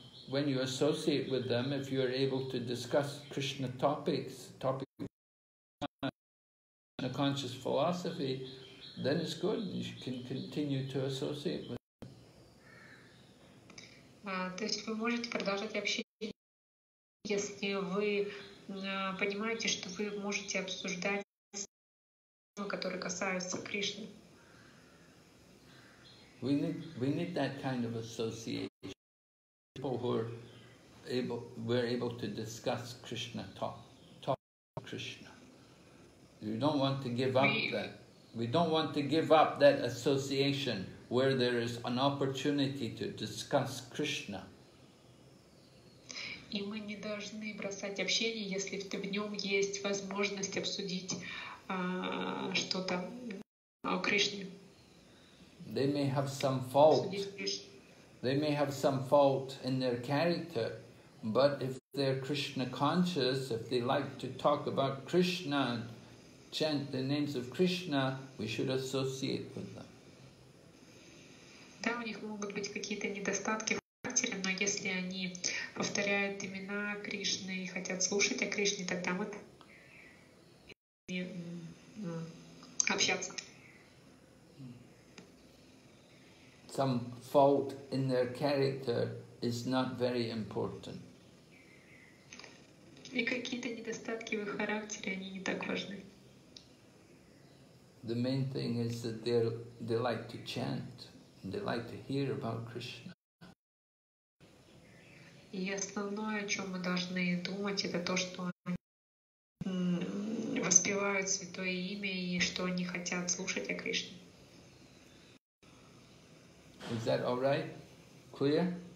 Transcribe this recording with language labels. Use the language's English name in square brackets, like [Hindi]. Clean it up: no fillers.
[English] When you associate with them, if you are able to discuss Krishna topics, Krishna conscious philosophy, then it's good. You can continue to associate with them. [Russian] То есть вы можете продолжать общение, если вы понимаете, что вы можете обсуждать, которые касаются Кришны. [English] We need that kind of association. People who are able to discuss Krishna, talk Krishna. You don't want to give up that. We don't want to give up that association where there is an opportunity to discuss Krishna. [Russian] И мы не должны бросать общение, если в нем есть возможность обсудить что-то о Кришне. [English] They may have some fault. They may have some fault in their character, but if they're Krishna conscious, if they like to talk about Krishna, chant the names of Krishna, we should associate with them. [Russian] Да, у них могут быть какие-то недостатки в характере, но если они повторяют имена Кришны и хотят слушать о Кришне, тогда мы общаться. [English] Some fault in their character is not very important. [Russian] И какие-то недостатки в их характере, они не так важны. [English] The main thing is that they like to chant, and they like to hear about Krishna. [Russian] И основное, о чем мы должны думать, это то, что воспевают святое имя и что они хотят слушать о Кришне. [English] Is that all right? Clear?